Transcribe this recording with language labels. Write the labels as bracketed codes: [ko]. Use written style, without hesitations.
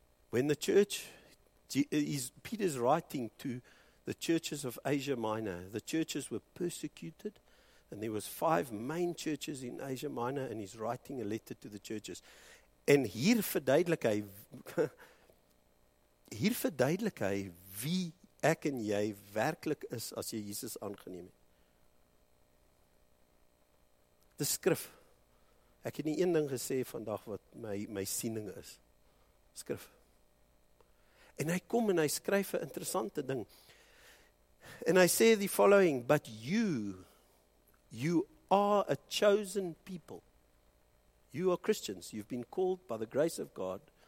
[en] When the church, Peter's writing to the churches of Asia Minor. The churches were persecuted, and there was 5 main churches in Asia Minor, and he's writing a letter to the churches. [af] En hier verduidelik hy wie ek en jy werklik is as jy Jesus aangeneem het. Die skrif. Ek het nie een ding gesê vandag wat my siening is. Skrif. En hy kom en hy skryf 'n interessante ding. [en] And I say the following, but you are a chosen people. You are Christians. You've been called by the grace of God.